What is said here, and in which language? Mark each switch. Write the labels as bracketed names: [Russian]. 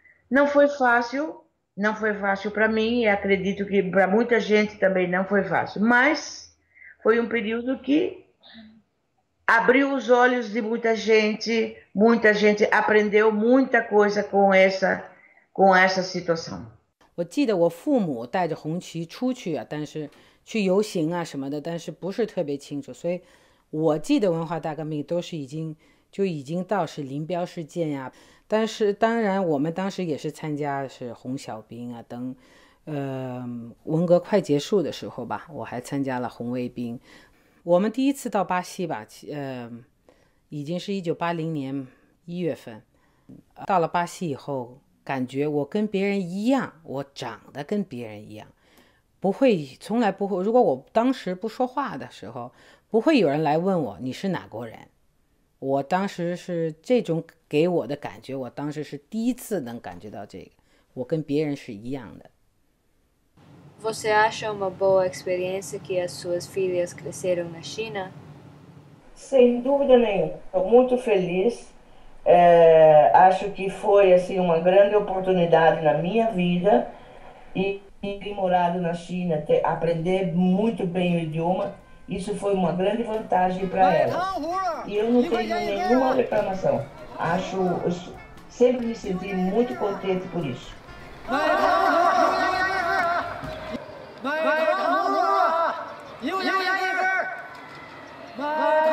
[Portuguese] Não foi fácil, não foi fácil para mim, e acredito que para muita gente também não foi fácil, mas foi um período que abriu os olhos de muita gente aprendeu muita coisa com essa situação. [Chinese] 我记得我父母带着红旗出去啊，但是去游行啊什么的，但是不是特别清楚。所以，我记得文化大革命都是已经到是林彪事件呀、啊。但是当然，我们当时也是参加是红小兵啊等，文革快结束的时候吧，我还参加了红卫兵。我们第一次到巴西吧，已经是1980年1月份，到了巴西以后。感觉我跟别人一样，我长得跟别人一样，不会，从来不会。如果我当时不说话的时候，不会有人来问我你是哪国人。我当时是这种给我的感觉，我当时是第一次能感觉到这个，我跟别人是一样的。 [Portuguese] Você acha uma boa experiência que as suas filhas cresceram na China? Sem dúvida nenhuma, estou muito feliz. Acho que foi assim uma grande oportunidade na minha vida e ter morado na China, ter aprender muito bem o idioma. Isso foi uma grande vantagem para elas. E eu não tenho nenhuma reclamação. Acho, sempre me senti muito contente por isso. [Chinese] 买糖葫芦，一块钱一根儿。买。